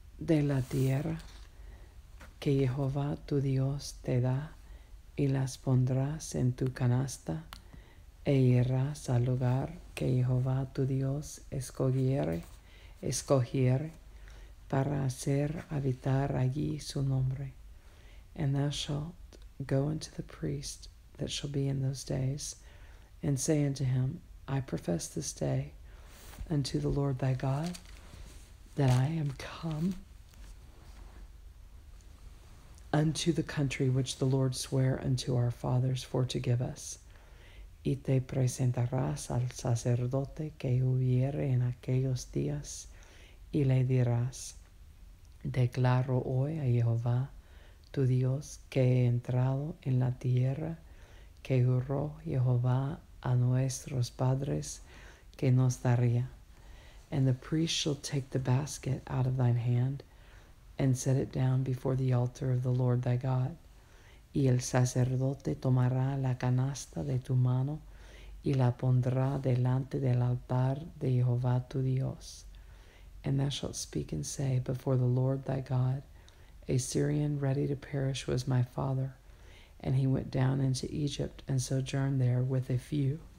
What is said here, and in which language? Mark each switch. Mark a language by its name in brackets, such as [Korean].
[Spanish] De la tierra que Jehová tu Dios te da, y las pondrás en tu canasta, e irás al lugar que Jehová tu Dios escogiere para hacer habitar allí su nombre. [English] And thou shalt go unto the priest that shall be in those days, and say unto him, I profess this day unto the Lord thy God, that I am come unto the country which the Lord sware unto our fathers for to give us. [Spanish] Y te presentarás al sacerdote que hubiere en aquellos días, y le dirás, declaro hoy a Jehová tu Dios que he entrado en la tierra que juró Jehová a nuestros padres que nos daría. [English] And the priest shall take the basket out of thine hand and set it down before the altar of the Lord thy God. [Spanish] Y el sacerdote tomará la canasta de tu mano y la pondrá delante del altar de Jehová tu Dios. [English] And thou shalt speak and say before the Lord thy God, a Syrian ready to perish was my father, and he went down into Egypt and sojourned there with a few.